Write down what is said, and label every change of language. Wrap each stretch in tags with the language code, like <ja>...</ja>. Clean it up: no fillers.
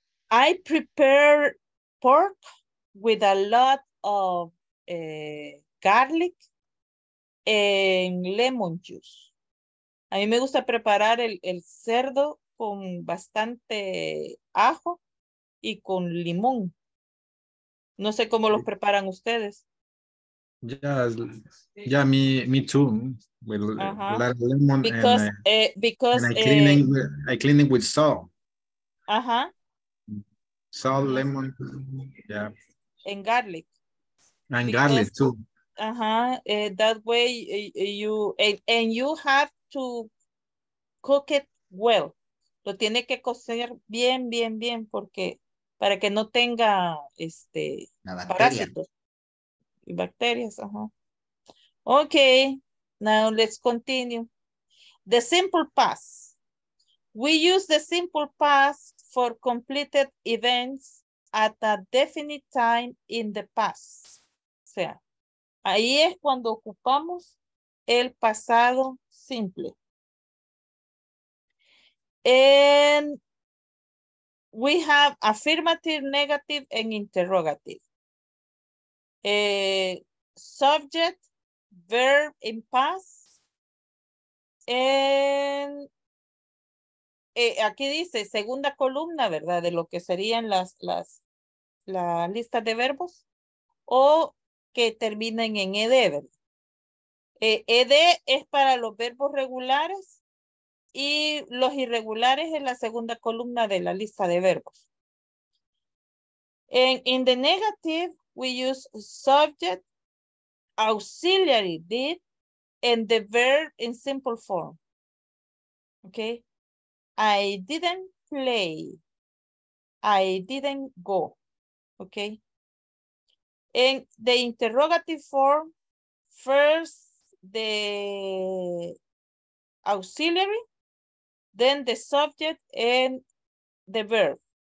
<en>I prepare pork with a lot of garlic and lemon juice.</en> <es>A mí me gusta preparar el cerdo con bastante ajo y con limón. No sé cómo los preparan ustedes.</es> <en>Yeah, me too. With a lot of lemon. Because I clean it with salt.</en> <es>Ajá.</es> <en>Salt, lemon, yeah. And garlic. And garlic too.</en> <es>Ajá.</es> <en>That way you have to cook it well.</en> <es>Lo tiene que cocer bien, bien, bien, porque para que no tenga parásitos y bacterias.</es> <en>Uh-huh. Okay, now let's continue. The simple past. We use the simple past for completed events at a definite time in the past.</en> <es>O sea, ahí es cuando ocupamos el pasado simple.</es> <en>And we have affirmative, negative, and interrogative. Subject, verb in past.</en> <es>And aquí dice segunda columna, ¿verdad? De lo que serían la lista de verbos. O que terminen en ED, ¿verdad? ED es para los verbos regulares. Y los irregulares en la segunda columna de la lista de verbos.</es> <en>In the negative, we use subject, auxiliary, did, and the verb in simple form. Okay? I didn't, play. I didn't go. Okay. In the interrogative form, first the auxiliary, then the subject and the verb.</en>